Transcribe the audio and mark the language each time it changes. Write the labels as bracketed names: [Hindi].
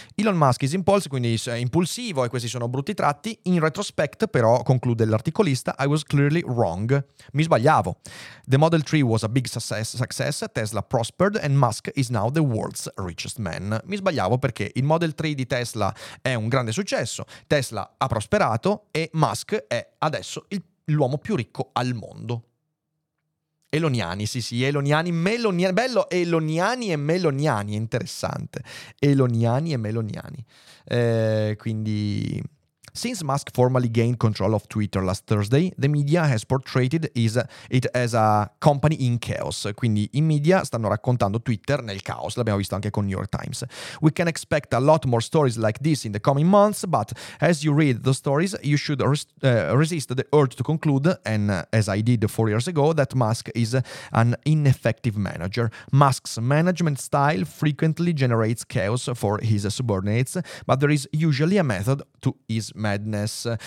[English] Elon Musk is impulsive, [Italian] quindi è impulsivo, e questi sono brutti tratti. [English] In retrospect, [Italian] però, conclude l'articolista, [English] I was clearly wrong. [Italian] Mi sbagliavo. [English] The Model 3 was a big success, Tesla prospered, and Musk is now the world's richest man. [Italian] Mi sbagliavo perché il Model 3 di Tesla è un grande successo, Tesla ha prosperato, e Musk è adesso l'uomo più ricco al mondo. Eloniani, sì, Eloniani, Meloniani, bello, Eloniani e Meloniani, interessante. Eloniani e Meloniani. Quindi, [English] since Musk formally gained control of Twitter last Thursday, the media has portrayed it as a company in chaos. [Italian] Quindi i media stanno raccontando Twitter nel caos, l'abbiamo visto anche con New York Times. [English] We can expect a lot more stories like this in the coming months, but as you read the stories, you should resist the urge to conclude, and as I did 4 years ago, that Musk is an ineffective manager. Musk's management style frequently generates chaos for his subordinates, but there is usually a method to his madness.